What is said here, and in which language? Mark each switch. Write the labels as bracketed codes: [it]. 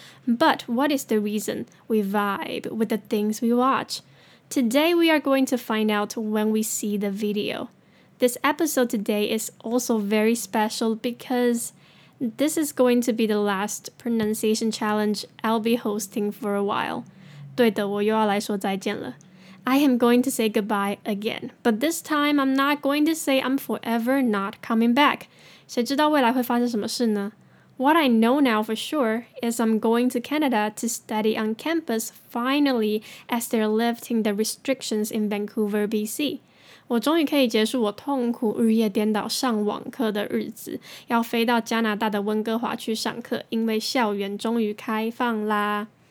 [en] But what is the reason we vibe with the things we watch? Today, we are going to find out when we see the video. This episode today is also very special because this is going to be the last pronunciation challenge I'll be hosting for a while. [zh] 对的，我又要来说再见了。 [en] I am going to say goodbye again, but this time I'm not going to say I'm forever not coming back. [zh] 谁知道未来会发生什么事呢? [en] What I know now for sure is I'm going to Canada to study on campus finally as they're lifting the restrictions in Vancouver, BC. [zh] 我终于可以结束我痛苦日夜颠倒上网课的日子,要飞到加拿大的温哥华去上课,因为校园终于开放啦。